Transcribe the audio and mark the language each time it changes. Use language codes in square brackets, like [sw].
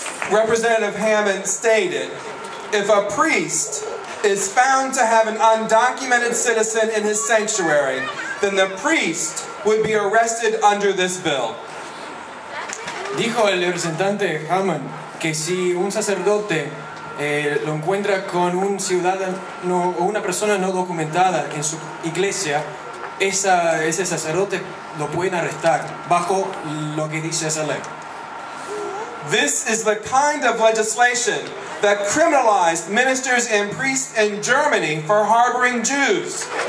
[en] Representative Hammond stated, if a priest is found to have an undocumented citizen in his sanctuary, then the priest would be arrested under this bill. [es] Dijo el representante Hammond que si un sacerdote lo encuentra con un ciudadano o una persona no documentada en su iglesia, ese sacerdote lo pueden arrestar bajo lo que dice esa ley. [en] This is the kind of legislation that criminalized ministers and priests in Germany for harboring Jews.